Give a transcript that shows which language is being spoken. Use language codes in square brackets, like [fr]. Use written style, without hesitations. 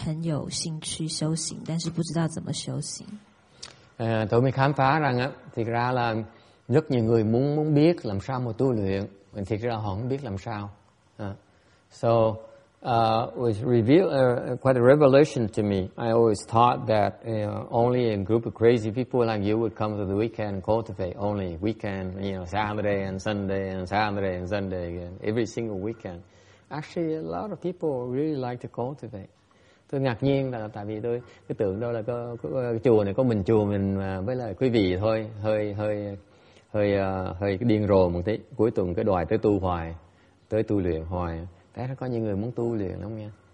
[zh] 所以到下午的时候，我们的2个小时的时间都是让大家问问题。那我发现说，他们其实很多人很有兴趣修行，但是不知道怎么修行。 [vi] Tôi mới khám phá rằng á, thực ra là rất nhiều người muốn biết làm sao mà tu luyện, mình thực ra họ không biết làm sao. [en] So was revealed quite a revelation to me. I always thought that only a group of crazy people like you would come to the weekend and cultivate. Only weekend, you know, Saturday and Sunday and Saturday and Sunday again, every single weekend. Actually, a lot of people really like to cultivate. [vi] Tôi ngạc nhiên là tại vì tôi cứ tưởng đâu là có chùa này có mình chùa mình với lại quý vị thôi, hơi điên rồ một tí. Cuối tuần cứ đòi tới tu hoài, tới tu luyện hoài. Thế nó có những người muốn tu luyện lắm nha.